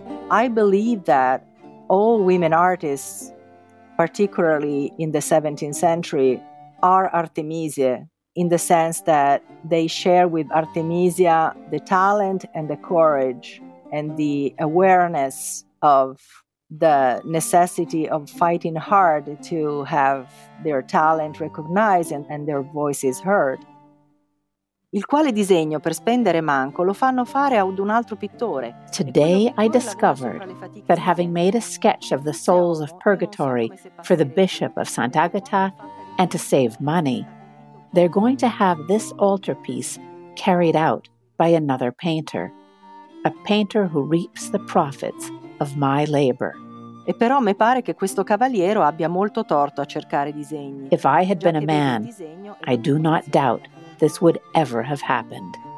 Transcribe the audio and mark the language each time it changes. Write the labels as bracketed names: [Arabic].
[English] I believe that all women artists, particularly in the 17th century, are Artemisia, in the sense that they share with Artemisia the talent and the courage and the awareness of the necessity of fighting hard to have their talent recognized and their voices heard. [Italian] Il quale disegno per spendere manco lo fanno fare ad un altro pittore. [English] Today I discovered that having made a sketch of the souls of purgatory for the Bishop of Sant'Agata and to save money, they're going to have this altarpiece carried out by another painter, a painter who reaps the profits of my labor. [Italian] E però mi pare che questo cavaliere abbia molto torto a cercare disegni. [English] If I had been a man, I do not doubt this would ever have happened.